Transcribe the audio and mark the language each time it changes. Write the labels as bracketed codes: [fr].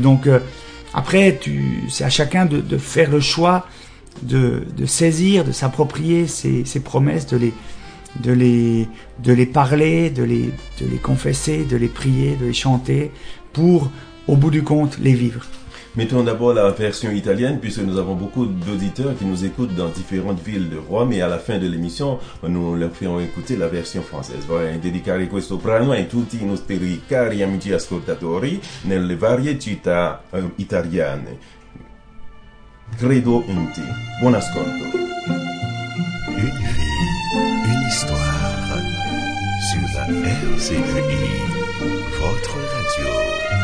[fr] Donc après, c'est à chacun de faire le choix de saisir, de s'approprier ces promesses, de les parler, de les confesser, de les prier, de les chanter, pour au bout du compte les vivre. Mettons d'abord la version italienne, puisque nous avons beaucoup d'auditeurs qui nous écoutent dans différentes villes de Rome, et à la fin de l'émission, nous leur ferons écouter la version française. [it] Voilà, dedicare questo brano a tutti i nostri cari amici ascoltatori nelle varie città italiane. Credo in te. Buon ascolto. [fr] Une vie, une histoire, sur la RCI, votre radio.